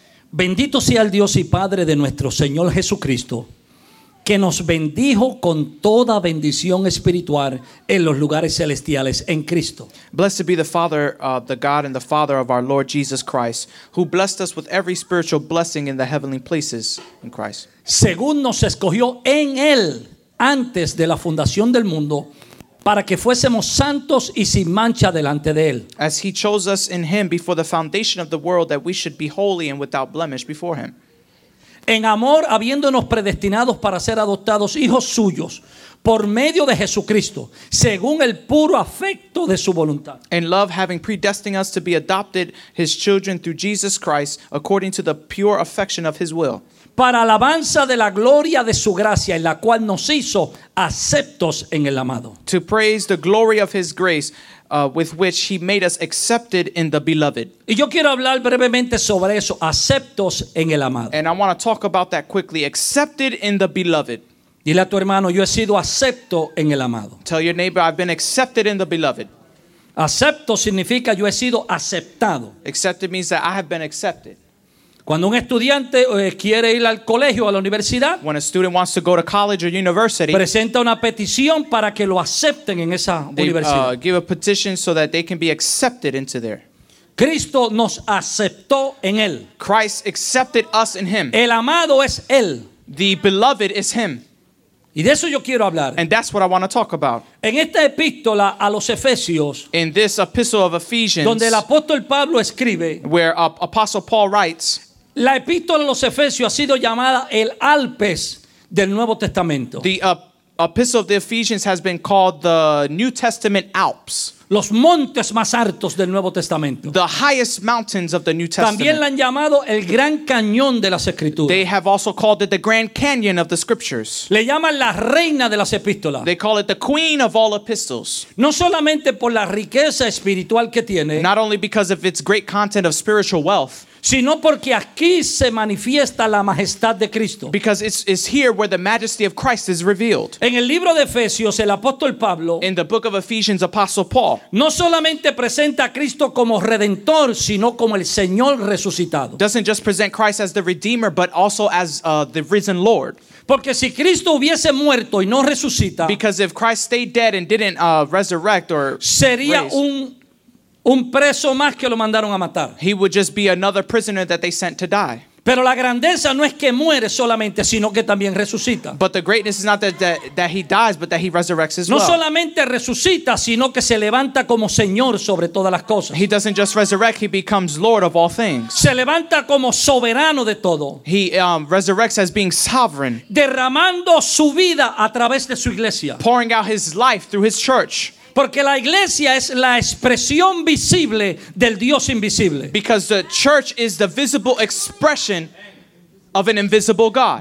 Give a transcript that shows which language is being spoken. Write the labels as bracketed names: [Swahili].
[Spanish] Bendito sea el Dios y Padre de nuestro Señor Jesucristo, que nos bendijo con toda bendición espiritual en los lugares celestiales en Cristo. [English] Blessed be the Father, the God and the Father of our Lord Jesus Christ, who blessed us with every spiritual blessing in the heavenly places in Christ. [Spanish] Según nos escogió en Él antes de la fundación del mundo para que fuésemos santos y sin mancha delante de Él. [English] As He chose us in Him before the foundation of the world that we should be holy and without blemish before Him. [Spanish] En amor, habiéndonos predestinados para ser adoptados hijos suyos por medio de Jesucristo, según el puro afecto de su voluntad. [English] In love, having predestined us to be adopted His children through Jesus Christ according to the pure affection of His will. [Spanish] Para alabanza de la gloria de su gracia, en la cual nos hizo aceptos en el amado. [English] To praise the glory of his grace, with which he made us accepted in the beloved. [Spanish] Y yo quiero hablar brevemente sobre eso, aceptos en el amado. [English] And I want to talk about that quickly, accepted in the beloved. [Spanish] Dile a tu hermano, yo he sido acepto en el amado. [English] Tell your neighbor, I've been accepted in the beloved. [Spanish] Acepto significa yo he sido aceptado. [English] Accepted means that I have been accepted. [Spanish] Cuando un estudiante quiere ir al colegio o a la universidad, [English] when a student wants to go to college or university, [Spanish] presenta una petición para que lo acepten en esa universidad. [English] They give a petition so that they can be accepted into there. [Spanish] Cristo nos aceptó en Él. [English] Christ accepted us in Him. [Spanish] El amado es Él. [English] The beloved is Him. [Spanish] Y de eso yo quiero hablar. [English] And that's what I want to talk about. [Spanish] En esta epístola a los Efesios, [English] in this epistle of Ephesians, [Spanish] donde el apóstol Pablo escribe, [English] where Apostle Paul writes, [Spanish] la epístola a los Efesios ha sido llamada el Alpes del Nuevo Testamento. [English] The epistle of the Ephesians has been called the New Testament Alps. [Spanish] Los montes más altos del Nuevo Testamento. [English] The highest mountains of the New Testament. [Spanish] También la han llamado el Gran Cañón de las Escrituras. [English] They have also called it the Grand Canyon of the Scriptures. [Spanish] Le llaman la Reina de las Epístolas. [English] They call it the Queen of all Epistles. [Spanish] No solamente por la riqueza espiritual que tiene. [English] Not only because of its great content of spiritual wealth. [Spanish] Sino porque aquí se manifiesta la majestad de Cristo. [English] Because it's here where the majesty of Christ is revealed. [Spanish] En el libro de Efesios, el apóstol Pablo. [English] In the book of Ephesians, Apostle Paul. [Spanish] No solamente presenta a Cristo como Redentor, sino como el Señor resucitado. [English] Doesn't just present Christ as the Redeemer, but also as the risen Lord. [Spanish] Porque si Cristo hubiese muerto y no resucita. [English] Because if Christ stayed dead and didn't resurrect or [Spanish] sería [English] raise. [Spanish] Un preso más que lo mandaron a matar. [English] He would just be another prisoner that they sent to die. [Spanish] Pero la grandeza no es que muere solamente, sino que también resucita. [English] But the greatness is not that he dies, but that he resurrects as well. [Spanish] No solamente resucita, sino que se levanta como Señor sobre todas las cosas. [English] He doesn't just resurrect, he becomes Lord of all things. [Spanish] Se levanta como soberano de todo. [English] He resurrects as being sovereign. [Spanish] Derramando su vida a través de su iglesia. [English] Pouring out his life through his church. [Spanish] Porque la iglesia es la expresión visible del Dios invisible. [English] Because the church is the visible expression of an invisible God.